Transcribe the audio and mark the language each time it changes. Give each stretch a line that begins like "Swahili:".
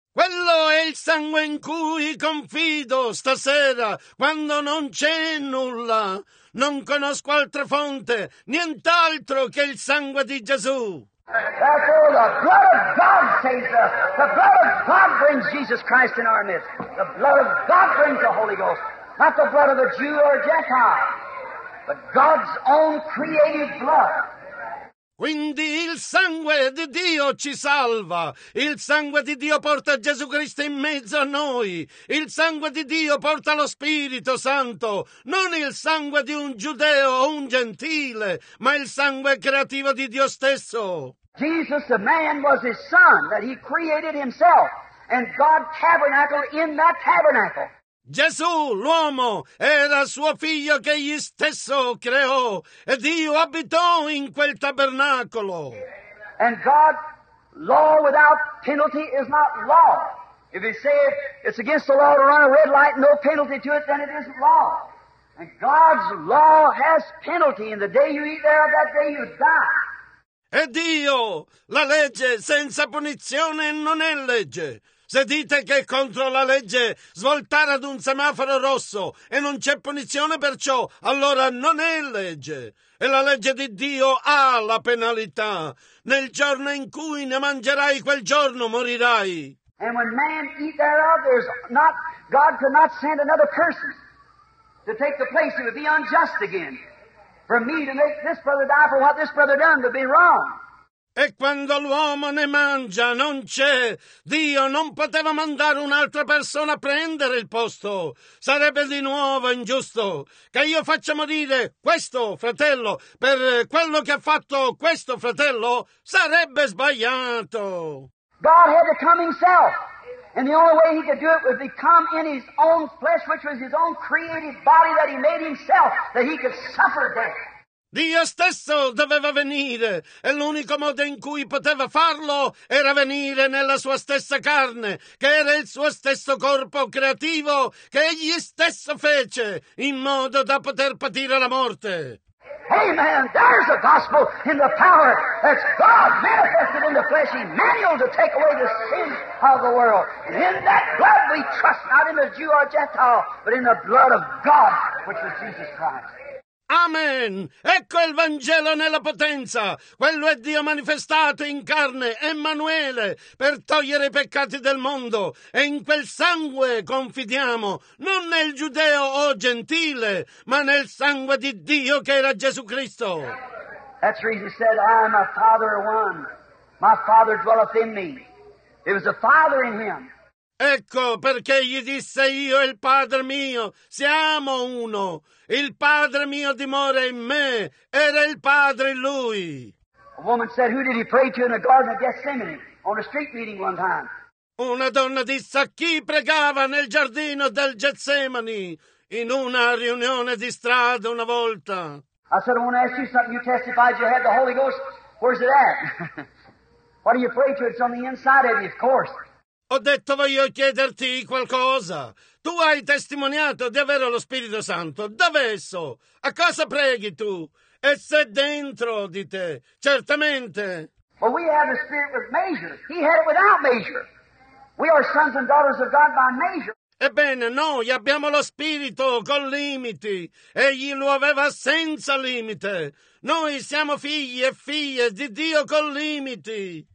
Italian: Quello è il sangue in cui confido stasera, quando non c'è nulla. Non conosco altra fonte, nient'altro che il sangue di Gesù.
English: That's all. The blood of God saves us. The blood of God brings Jesus Christ in our midst. The blood of God brings the Holy Ghost. Not the blood of a Jew or a Gentile, but God's own created blood.
Italian: Quindi il sangue di Dio ci salva, il sangue di Dio porta Gesù Cristo in mezzo a noi, il sangue di Dio porta lo Spirito Santo, non il sangue di un giudeo o un gentile, ma il sangue creativo di Dio stesso.
English: Jesus the man was his son that he created himself, and God tabernacled in that tabernacle.
Italian: Gesù, l'uomo, era suo figlio che egli stesso creò, e Dio abitò in quel tabernacolo.
English: And God, law without penalty is not law. If he said it's against the law to run a red light, no penalty to it, then it isn't law. And God's law has penalty, and the day you eat thereof, that day you die.
Italian: E Dio, la legge senza punizione non è legge. Se dite che è contro la legge svoltare ad un semaforo rosso e non c'è punizione per ciò, allora non è legge. E la legge di Dio ha la penalità. Nel giorno in cui ne mangerai, quel giorno morirai.
English: And when man eat thereof, there's not, God could not send another person to take the place. It would be unjust again for me to make this brother die for what this brother done to be wrong.
Italian: E quando l'uomo ne mangia, non c'è. Dio non poteva mandare un'altra persona a prendere il posto. Sarebbe di nuovo ingiusto che io faccia morire questo fratello per quello che ha fatto questo fratello. Sarebbe sbagliato.
English: God had to come himself. And the only way he could do it was become in his own flesh, which was his own created body that he made himself, that he could suffer death.
Italian: Dio stesso doveva venire, e l'unico modo in cui poteva farlo era venire nella sua stessa carne, che era il suo stesso corpo creativo, che egli stesso fece, in modo da poter patire la morte.
English: Amen! There's the gospel in the power that's God manifested in the flesh, Emmanuel, to take away the sins of the world. And in that blood we trust, not in the Jew or Gentile, but in the blood of God, which is Jesus Christ. Amen!
Italian: Ecco il Vangelo nella potenza! Quello è Dio manifestato in carne, Emanuele, per togliere i peccati del mondo. E in quel sangue confidiamo, non nel giudeo o gentile, ma nel sangue di Dio che era Gesù Cristo.
English: That's the reason he said, I am a father one. My father dwelleth in me. It was a father in him.
Italian: Ecco perché gli disse, io e il Padre mio siamo uno. Il Padre mio dimora in me. Era il Padre in lui.
English: A woman said, who did he pray to in the Garden of Gethsemane on a street meeting one time?
Italian: Una donna disse, a chi pregava nel giardino del Getsemani in una riunione di strada una volta?
English: I said, I want to ask you something. You testified you had the Holy Ghost. Where's it at? What do you pray to? It's on the inside of you, of course.
Italian: Ho detto, voglio chiederti qualcosa. Tu hai testimoniato di avere lo Spirito Santo. Dov'è esso? A cosa preghi tu? E se dentro di te? Certamente.
English: Well, we have the Spirit with measure. He had it without measure. We are sons and daughters of God by measure.
Italian: Ebbene, noi abbiamo lo Spirito con limiti. Egli lo aveva senza limite. Noi siamo figli e figlie di Dio con limiti.